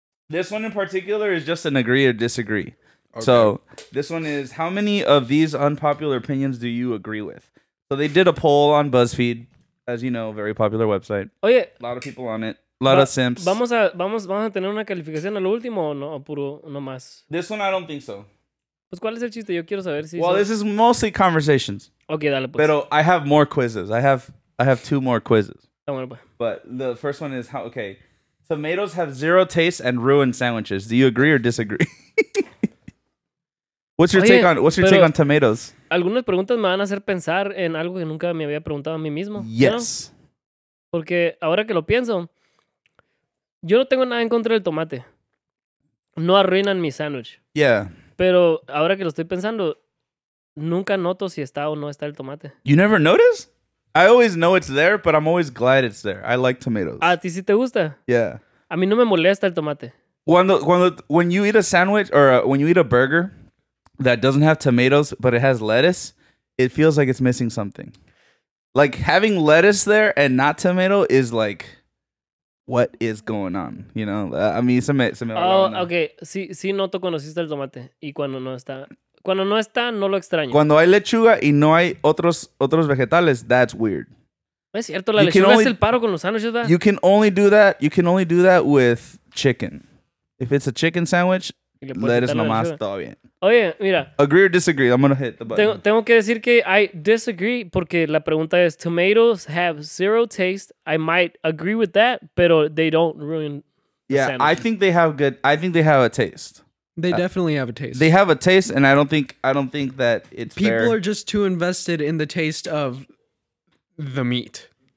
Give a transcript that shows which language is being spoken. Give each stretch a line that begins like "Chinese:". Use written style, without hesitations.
English: This one in particular is just an agree or disagree. Okay. So this one is, how many of these unpopular opinions do you agree with? So they did a poll on BuzzFeed, as you know, very popular website. Oye, oh, yeah. A lot of people on it. A lot of simps.
Spanish: Vamos a tener una calificación a lo último o no, puro nomás.
English: This one, I don't think so.
Spanish: Pues, ¿cuál es el chiste? Yo quiero saber si.
English: Well, this is mostly conversations. Okay,
Spanish: dale, pues. Pero
English: I have more quizzes. I have two more quizzes.
Spanish: Bueno, pues.
English: But the first one is, okay, tomatoes have zero taste and ruin sandwiches. Do you agree or disagree? What's your take on tomatoes?
Spanish: Algunas preguntas me van a hacer pensar en algo que nunca me había preguntado a mí mismo.
English: Yes.
Spanish: ¿No? Porque ahora que lo pienso, yo no tengo nada en contra del tomate. No arruinan mi sándwich.
English: Yeah.
Spanish: Pero ahora que lo estoy pensando, nunca noto si está o no está el tomate.
English: You never notice? I always know it's there, but I'm always glad it's there. I like tomatoes.
Spanish: ¿A ti sí te gusta?
English: Yeah.
Spanish: A mí no me molesta el tomate.
English: When you eat a sandwich or when you eat a burger that doesn't have tomatoes, but it has lettuce, it feels like it's missing something. Like, having lettuce there and not tomato is like, what is going on? You know? I mean, some oh, okay.
Spanish: Sí noto cuando sí está el tomate. Y cuando no está, no lo extraño. Cuando hay lechuga y no hay otros vegetales,
English: that's weird.
Spanish: Es cierto, la lechuga es el paro con los sándwiches, ¿verdad?
English: You can only do that with chicken. If it's a chicken sandwich, lettuce
Spanish: nomás, todo bien. Oye, mira.
English: Agree or disagree? I'm going to hit the button.
Spanish: Tengo que decir que
English: I disagree
Spanish: porque la pregunta es,
English: tomatoes have zero taste. I might agree with that,
Spanish: pero
English: they don't ruin the yeah, sandwich. I think they have a taste. They definitely have a taste. They have a taste, and I don't think that it's people fair. Are just too invested in the taste of the meat.